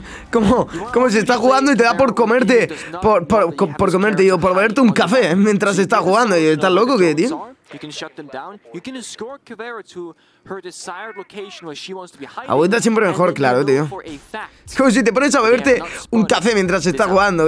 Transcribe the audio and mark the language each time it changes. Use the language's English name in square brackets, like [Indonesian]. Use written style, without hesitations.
[Spanish] ¿Cómo se está jugando y te da por comerte? Por comerte, digo, por beberte un café mientras estás jugando. Y estás loco, ¿qué, tío? You can shut them down. [English] You can escort Kavera to her desired location where she wants to be hiding. [Spanish] Aguanta siempre mejor, claro, tío. Es como si te pones a beberte un café mientras estás jugando.